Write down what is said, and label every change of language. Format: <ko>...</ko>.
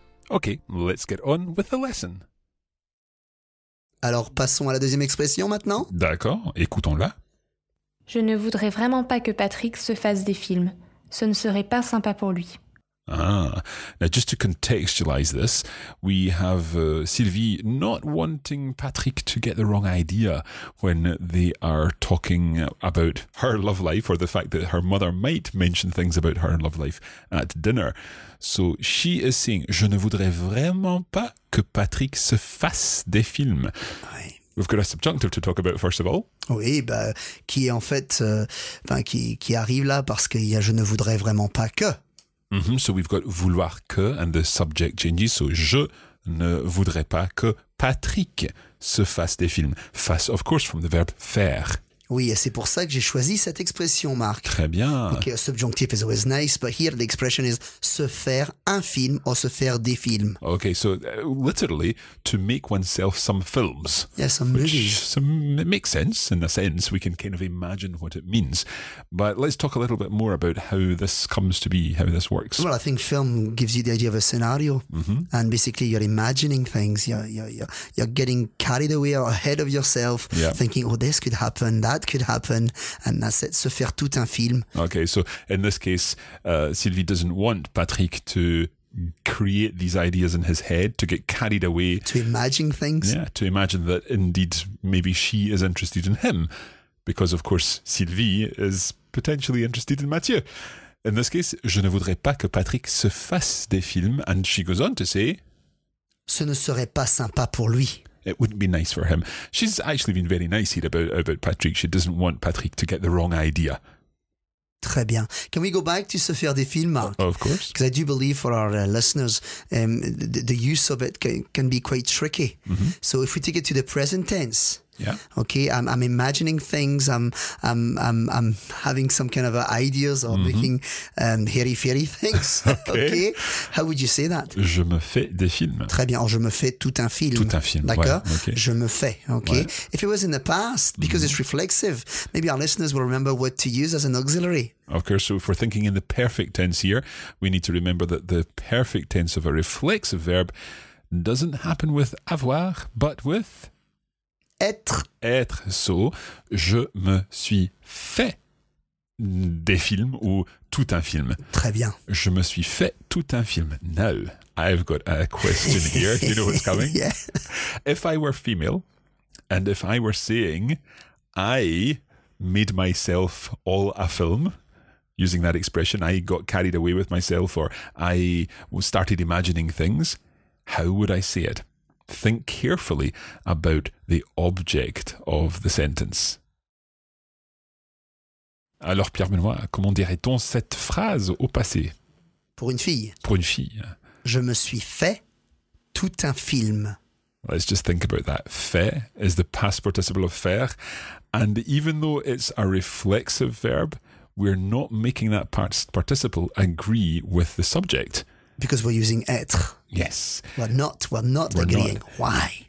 <en>Okay, let's get on with the lesson.</en> <fr>Alors, passons à la deuxième expression maintenant. D'accord, écoutons-la. Je ne voudrais vraiment pas que Patrick se fasse des films. Ce ne serait pas sympa pour lui.</fr> <en>Ah, now just to contextualize this, we have Sylvie not wanting Patrick to get the wrong idea when they are talking about her love life or the fact that her mother might mention things about her love life at dinner. So she is saying,</en> <fr>je ne voudrais vraiment pas que Patrick se fasse des films.</fr> <en>Aye. We've got a subjunctive to talk about, first of all.</en> <fr>Oui, bah, qui est en fait, qui arrive là parce qu'il y a je ne voudrais vraiment pas que. Mm-hmm.</fr> <en>So we've got</en> <fr>vouloir que,</fr> <en>and the subject changes.</en> <fr>So je ne voudrais pas que Patrick se fasse des films.</fr> <en>Fasse, of course, from the verb faire.</en> <fr>Oui, et c'est pour ça que j'ai choisi cette expression, Marc. Très bien.</fr> <en>Okay, a subjunctive is always nice, but here the expression is</en> <fr>se faire un film</fr> <en>or</en> <fr>se faire des films.</fr> <en>Okay, so literally, to make oneself some films. Yeah, some movies. Some, it makes sense, in a sense, we can kind of imagine what it means. But let's talk a little bit more about how this comes to be, how this works. Well, I think film gives you the idea of a scenario. Mm-hmm. And basically, you're imagining things. You're getting carried away or ahead of yourself, yeah, thinking, oh, this could happen, that could happen, and that's it,</en> <fr>se faire tout un film.</fr> <en>Okay, so in this case, Sylvie doesn't want Patrick to create these ideas in his head, to get carried away. To imagine things. Yeah, to imagine that indeed maybe she is interested in him, because of course Sylvie is potentially interested in Mathieu. In this case,</en> <fr>je ne voudrais pas que Patrick se fasse des films,</fr> <en>and she goes on to say,</en> <fr>ce ne serait pas sympa pour lui.</fr> <en>It wouldn't be nice for him. She's actually been very nice here about Patrick. She doesn't want Patrick to get the wrong idea.</en> <fr>Très bien.</fr> <en>Can we go back to</en> <fr>se faire des films,</fr> <en>Marc? Of course. Because I do believe for our listeners, the use of it can be quite tricky. Mm-hmm. So if we take it to the present tense. Yeah. Okay. I'm imagining things. I'm having some kind of ideas or mm-hmm. making hairy fairy things. Okay. How would you say that?</en> <fr>Je me fais des films. Très bien. Or, je me fais tout un film. Tout un film. D'accord. Ouais, okay. Je me fais. Okay. Ouais.</fr> <en>If it was in the past, because mm-hmm. it's reflexive, maybe our listeners will remember what to use as an auxiliary. Of course. So if we're thinking in the perfect tense here, we need to remember that the perfect tense of a reflexive verb doesn't happen with avoir, but with</en> <fr>être. Être. So, je me suis fait des films ou tout un film. Très bien. Je me suis fait tout un film.</fr> <en>Now, I've got a question here. Do you know what's coming? Yeah. If I were female and if I were saying I made myself all a film, using that expression, I got carried away with myself or I started imagining things, how would I say it? Think carefully about the object of the sentence.</en> <fr>Alors, Pierre-Benoît, comment dirait-on cette phrase au passé? Pour une fille. Pour une fille. Je me suis fait tout un film.</fr> <en>Let's just think about that. Fait is the past participle of faire. And even though it's a reflexive verb, we're not making that past participle agree with the subject. Because we're using être. Yes. We're not agreeing. Not. Why?</en>